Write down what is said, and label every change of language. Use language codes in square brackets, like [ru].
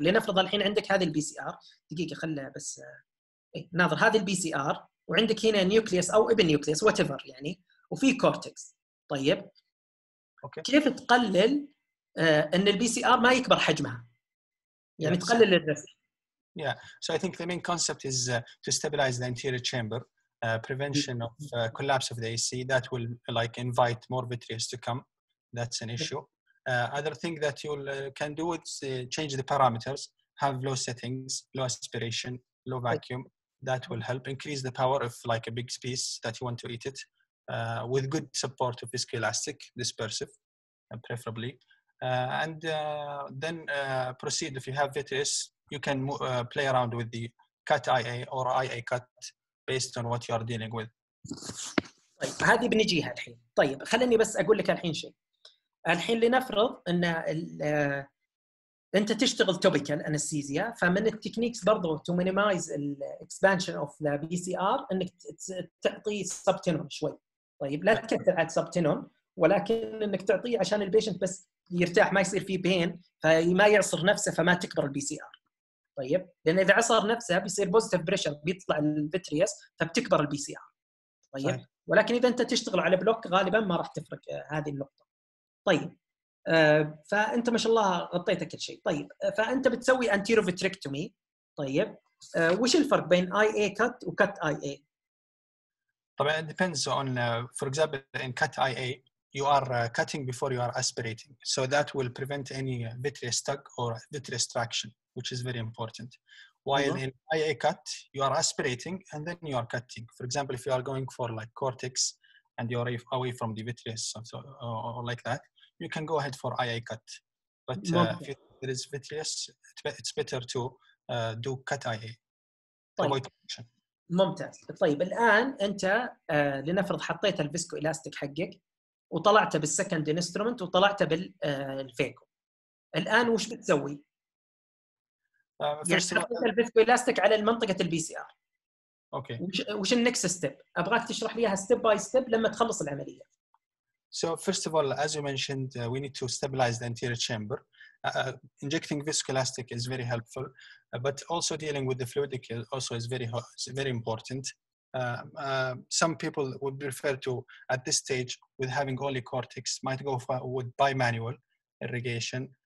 [ar] لنفرض الحين عندك هذه البي سي ار، دقيقه خلها بس ناظر، هذه البي سي ار وعندك هنا نيوكليوس او ابن نيوكليوس وات ايفر يعني، وفي كورتكس. طيب اوكي كيف تقلل ان البي سي ار ما يكبر حجمها يعني؟ yeah. تقلل الرسم. [en] Yeah, so I think the main concept is to stabilize the anterior chamber, prevention of collapse of the AC that will invite more vitreous to come. That's an issue. Other thing that you can do is change the parameters, have low settings, low aspiration, low vacuum. That will help increase the power of a big piece that you want to eat it with good support of viscoelastic dispersive, preferably. And then proceed. If you have vitreous, you can play around with the cut IA or IA cut based on what you are dealing with. [ar] طيب هذه بنجيها الحين. طيب خليني بس أقول لك الحين شيء. الحين لنفرض أن أنت تشتغل topical anesthesia، فمن التكنيكس برضو [en] to minimize the expansion of the PCR [ar] أنك تعطي subtenon شوي. طيب لا تكثر على subtenon، ولكن أنك تعطيه عشان البيشنت بس يرتاح، ما يصير فيه بين، فما يعصر نفسه فما تكبر PCR. طيب لأن إذا عصر نفسه بيصير positive pressure بيطلع الفيتريس فبتكبر PCR. طيب ولكن إذا أنت تشتغل على بلوك غالبا ما راح تفرق هذه النقطة. طيب فأنت ما شاء الله غطيت كل شيء. طيب فأنت بتسوي anterior vitrectomy. طيب وش الفرق بين IA cut و cut IA؟ [en] طبعا it depends on for example in cut IA you are cutting before you are aspirating, so that will prevent any vitreous tug or vitreous traction, which is very important. While in IA cut you are aspirating and then you are cutting. For example, if you are going for like cortex and you are away from the vitreous or like that, you can go ahead for IA cut, but if there is vitreous, it's better to do cut IA. [ar] ممتاز. طيب الآن أنت لنفرض حطيت الفيسكو إلاستيك حقك وطلعت بالسكند إنسترومنت وطلعت بالفيكو. الآن وش بتسوي؟ يعني الفيسكو إلاستيك على المنطقة البي سي آر. أوكي. وش النكست ستيب؟ أبغاك تشرح ليها ستيب باي ستيب لما تخلص العملية. [en] So first of all, as you mentioned, we need to stabilize the anterior chamber. Injecting viscoelastic is very helpful, but also dealing with the fluidic also is very important. Some people would prefer to, at this stage, with having only cortex, might go with bimanual irrigation.